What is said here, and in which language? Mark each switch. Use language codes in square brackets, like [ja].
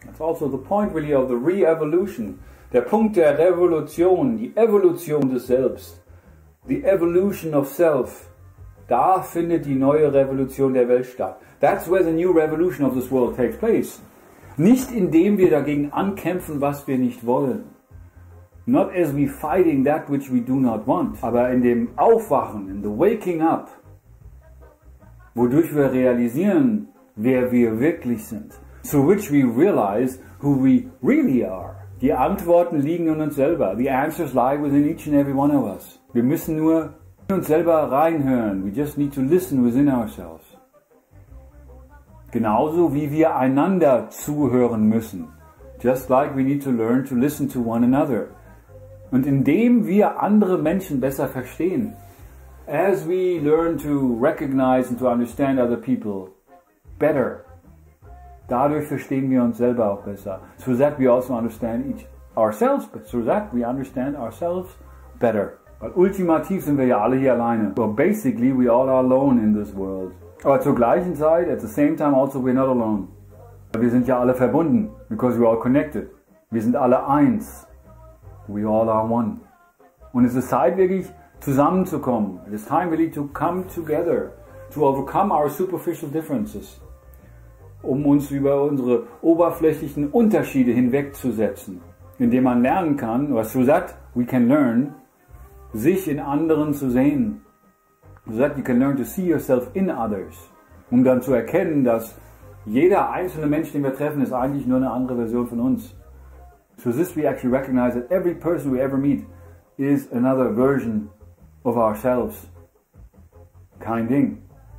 [en] also the point really of the re-evolution. [de] Der Punkt der Revolution, die Evolution des Selbst, [en] the evolution of self, [de] da findet die neue Revolution der Welt statt. [en] That's where the new revolution of this world takes place. [de] Nicht indem wir dagegen ankämpfen, was wir nicht wollen. [en] Not as we fighting that which we do not want. [de] Aber in dem Aufwachen, [en] in the waking up, [de] wodurch wir realisieren, wer wir wirklich sind. [en] To which we realize who we really are. [de] Die Antworten liegen in uns selber. [en] The answers lie within each and every one of us. [de] Wir müssen nur in uns selber reinhören. [en] We just need to listen within ourselves. [de] Genauso wie wir einander zuhören müssen. [en] Just like we need to learn to listen to one another. [de] Und indem wir andere Menschen besser verstehen, [en] as we learn to recognize and to understand other people better, [de] dadurch verstehen wir uns selber auch besser. [en] Through that we also understand each ourselves, but through that we understand ourselves better. [de] Weil ultimativ sind wir ja alle hier alleine. [en] Well, basically we all are alone in this world. [de] Aber zur gleichen Zeit, [en] at the same time also, we're not alone. [de] Wir sind ja alle verbunden, [en] because we're all connected. [de] Wir sind alle eins. [en] We all are one. [de] Und es ist Zeit wirklich zusammenzukommen. [en] It is time really to come together, to overcome our superficial differences. [de] Um uns über unsere oberflächlichen Unterschiede hinwegzusetzen. Indem man lernen kann, [en] or through that we can learn, [de] sich in anderen zu sehen. [en] So that you can learn to see yourself in others. [de] Um dann zu erkennen, dass jeder einzelne Mensch, den wir treffen, ist eigentlich nur eine andere Version von uns. [en] So this we actually recognize that every person we ever meet is another version of ourselves. [de] Kein Ding.